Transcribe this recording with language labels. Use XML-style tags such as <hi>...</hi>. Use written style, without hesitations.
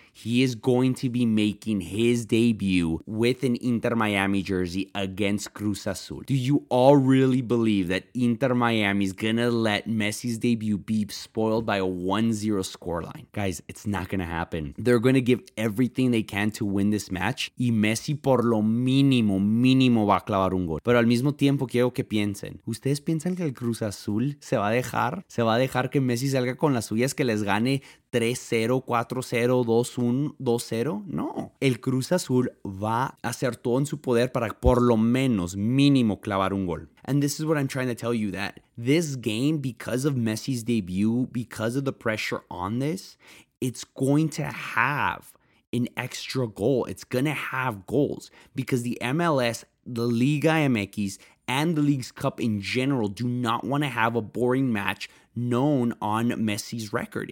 <en>He is going to be making his debut with an Inter Miami jersey against Cruz Azul. Do you all really believe that Inter Miami is going to let Messi's debut be spoiled by a 1-0 scoreline? Guys, it's not going to happen. They're going to give everything they can to win this match.</en> <es>Y Messi por lo mínimo, mínimo va a clavar un gol. Pero al mismo tiempo quiero que piensen. ¿Ustedes piensan que el Cruz Azul se va a dejar? ¿Se va a dejar que Messi salga con las suyas, que les gane 3-0, 4-0, 2-1, 2-0? No. El Cruz Azul va a hacer todo en su poder para por lo menos mínimo clavar un gol.</es> <en>And this is what I'm trying to tell you, that this game, because of Messi's debut, because of the pressure on this, it's going to have an extra goal. It's going to have goals because the MLS the Liga MX and the League's Cup in general do not want to have a boring match known on Messi's record.</en>